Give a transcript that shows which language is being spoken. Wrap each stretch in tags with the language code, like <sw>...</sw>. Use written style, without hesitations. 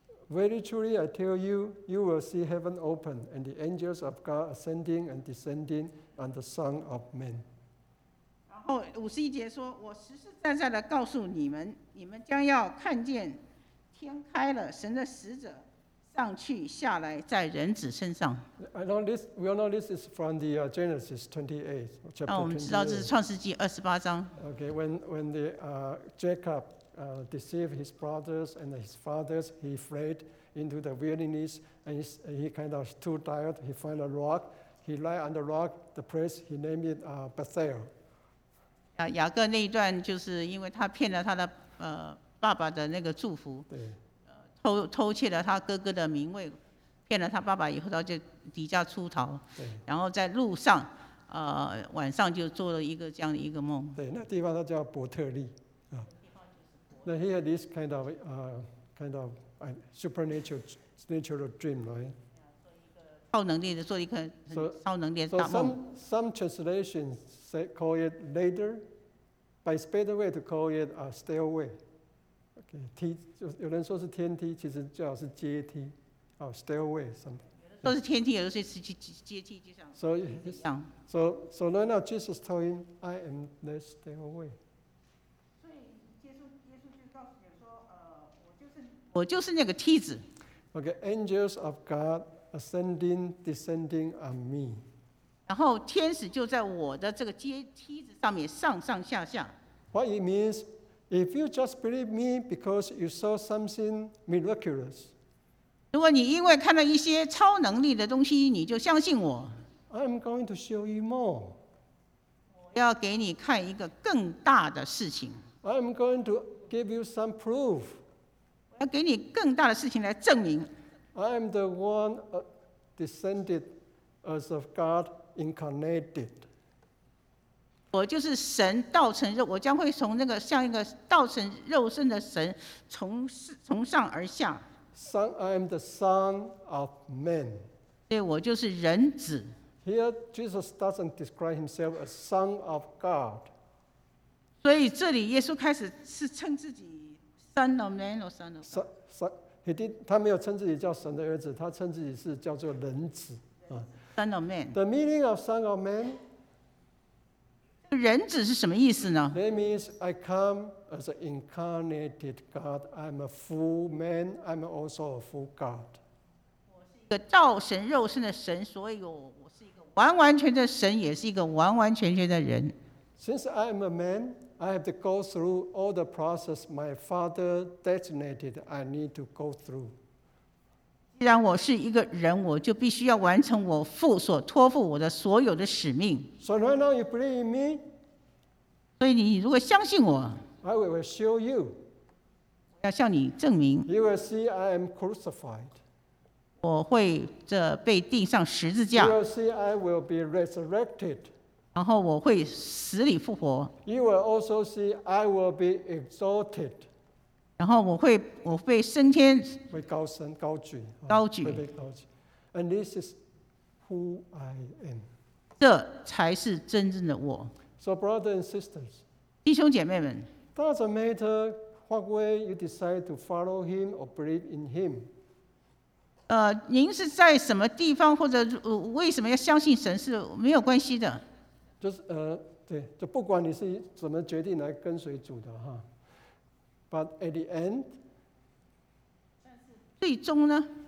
<en>Very truly I tell you, you will see heaven open and the angels of God ascending and descending on the Son of Man.</en> <zh>五十一节说：“我实实在在的告诉你们，你们将要看见天开了，神的使者上去下来，在人子身上。”</zh> <en>I know this. We all know this is from the Genesis 28, chapter 28.</en> <zh>我们知道这是创世纪二十八章。</zh> <en>Okay, when the Jacob deceived his brothers and his fathers, he fled into the wilderness and he kind of too tired. He found a rock. He lay on the rock. The place he named it Bethel.</en> <zh>雅各那一段就是因为他骗了他的爸爸的那个祝福，偷窃了他哥哥的名位，骗了他爸爸以后，他就离家出逃，然后在路上晚上就做了一个这样的一个梦。对，那地方他叫伯特利啊。</zh> <en>那 he had this kind of supernatural dream, right?</en> <zh>超能力的，做一个超能力的大梦。</zh> <en>So some translations say call it ladder, but it's better way to call it a stairway.</en> <zh>Okay, 梯就有人说是天梯，其实最好是阶梯，啊</zh> <en>stairway something.</en> <zh>都是天梯，有的是阶梯，就像所以一样。</zh> <en>So right now Jesus told him, I am the stairway.</en> <zh>所以耶稣就告诉你说，我就是那个梯子。</zh> <en>Okay, angels of God ascending, descending on me.</en> <zh>然后天使就在我的这个阶梯子上面上上下下。</zh> <en>What it means, if you just believe me because you saw something miraculous.</en> <zh>如果你因为看到一些超能力的东西，你就相信我。</zh> <en>I'm going to show you more.</en> <zh>我要给你看一个更大的事情。</zh> <en>I'm going to give you some proof.</en> <zh>我要给你更大的事情来证明。</zh> <en>I'm the one descended as of God incarnated.</en> <zh>我就是神道成肉，我将会从那个像一个道成肉身的神从上而下。</zh> <en>Son, I am the Son of Man.</en> <zh>对，我就是人子。</zh> <en>Here, Jesus doesn't describe himself as Son of God.</en> <zh>所以这里耶稣开始是称自己</zh> <en>Son of Man or Son of God.</en> <zh>He 没有称自己叫神的儿子，他称自己是叫做人子。</zh> <en>Son of Man. The meaning of Son of Man.</en> <zh>人子是什么意思呢</zh> <en>？That means I come. As an incarnated God, I'm a full man. I'm also a full God.</en> <zh>我是一个道神肉身的神，所以我是一个完完全的神，也是一个完完全全的人。</zh> <en>Since I'm a man, I have to go through all the process my father designated I need to go through.</en> <zh>既然我是一个人，我就必须要完成我父所托付我的所有的使命。</zh> <en>So right now you believe in me.</en> <zh>所以你如果相信我。</zh> <en>I will show you.</en> <zh>我要向你证明。</zh> <en>You will see I am crucified.</en> <zh>我会这被钉上十字架。</zh> <en>You will see I will be resurrected.</en> <zh>然后我会死里复活。</zh> <en>You will also see I will be exalted.</en> <zh>然后我被升天。被高升高举。高举。被高举。</zh> <en>And this is who I am.</en> <zh>这才是真正的我。</zh> <en>So brothers and sisters.</en> <zh>弟兄姐妹们。</zh> <en>Doesn't matter what way you decide to follow him or believe in him.</en> <zh>您是在什么地方或者为什么要相信神是没有关系的。就是对，就不管你是怎么决定来跟随主的哈。</zh> <en>But at the end,</en> <zh>最终呢</zh>